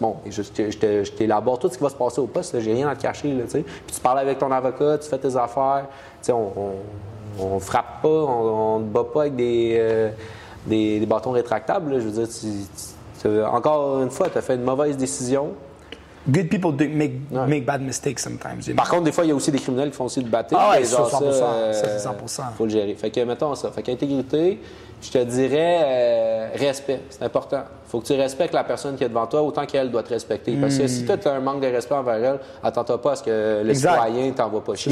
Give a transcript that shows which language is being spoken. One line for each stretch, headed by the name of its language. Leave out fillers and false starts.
French: Bon, je t'élabore tout ce qui va se passer au poste, là, j'ai rien à te cacher, tu sais. Puis tu parles avec ton avocat, tu fais tes affaires, tu sais, on frappe pas, on ne bat pas avec des bâtons rétractables. Là. Je veux dire, tu encore une fois, tu as fait une mauvaise décision.
English: Good people do make bad mistakes sometimes. You know?
French: Par contre, des fois, il y a aussi des criminels qui font aussi de batter. Ah ouais, genre, 100%, ça, c'est 100%. Faut le gérer. Fait que, mettons ça. Fait qu'intégrité, je te dirais respect. C'est important. Faut que tu respectes la personne qui est devant toi autant qu'elle doit te respecter. Parce que si toi, t'as un manque de respect envers elle, attends-toi pas à ce que le citoyen t'envoie pas chier.